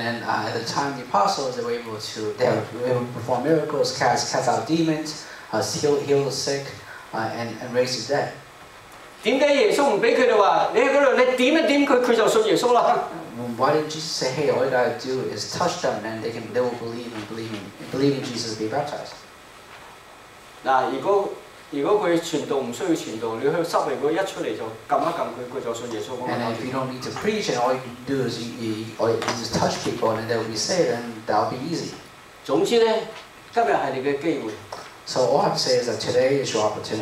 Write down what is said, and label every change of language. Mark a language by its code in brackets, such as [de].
[en] then at the time the apostles they were able to perform miracles, cast out demons, heal the sick, and raise the dead. [yue] 點解耶穌唔俾佢哋話？你喺嗰度，你點一點佢，佢就信耶穌啦。 [en] Why didn't Jesus say, hey, all you gotta do is touch them and they will believe in Jesus, be baptized? [yue] 嗱，如果佢傳道唔需要傳道，你去濕嚟，佢一出嚟就撳一撳佢，佢就信耶穌。 [en] And if you don't need to preach and all you can do is you just touch people and they'll be saved and that'll be easy. [yue] 總之咧，今日係你嘅機會。 [en] So all I have to say is that today is your opportunity.